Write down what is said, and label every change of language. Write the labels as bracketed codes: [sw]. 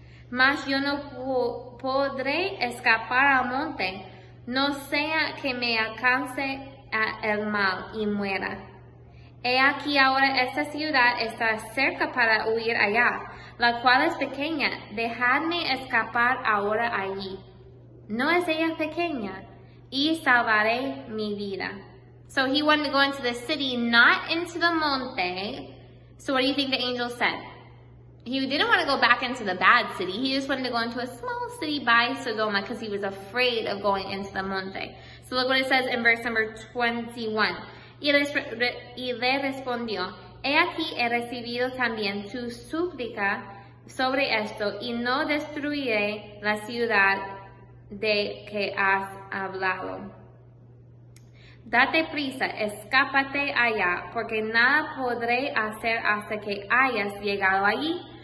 [es] Mas yo no podré escapar al monte, no sea que me alcance el mal y muera. He aquí ahora esta ciudad está cerca para huir allá, la cual es pequeña. Dejadme escapar ahora allí. No es ella pequeña, y salvaré mi vida. [en] So he wanted to go into the city, not into the monte. So what do you think the angel said? He didn't want to go back into the bad city. He just wanted to go into a small city by Sodoma because he was afraid of going into the monte. So look what it says in verse number 21. [es] Y le respondió, he aquí he recibido también tu súplica sobre esto, y no destruiré la ciudad de que has hablado. Date prisa, escápate allá, porque nada podré hacer hasta que hayas llegado allí.